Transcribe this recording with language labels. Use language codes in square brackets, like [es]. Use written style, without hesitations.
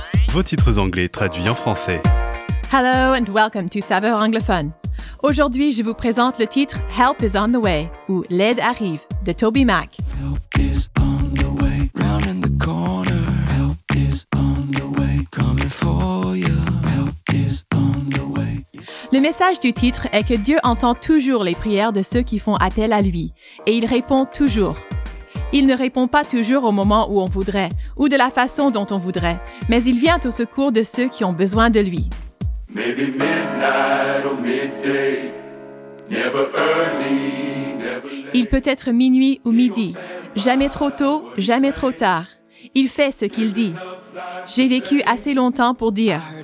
[fr] Vos titres anglais traduits en français. [en] Hello and welcome to Saveur anglophone. [fr] Aujourd'hui, je vous présente le titre Help is on the way ou L'aide arrive de Toby Mac. [en] Help is on the way, round in the corner. Help is on the way, coming for you. Help is on the way. [fr] Le message du titre est que Dieu entend toujours les prières de ceux qui font appel à lui et il répond toujours. Il ne répond pas toujours au moment où on voudrait ou de la façon dont on voudrait, mais il vient au secours de ceux qui ont besoin de lui. [en] Maybe midnight or midday, never early, never late. [fr] Il peut être minuit ou midi, jamais trop tôt, jamais trop tard. Il fait ce qu'il dit. J'ai vécu assez longtemps pour dire.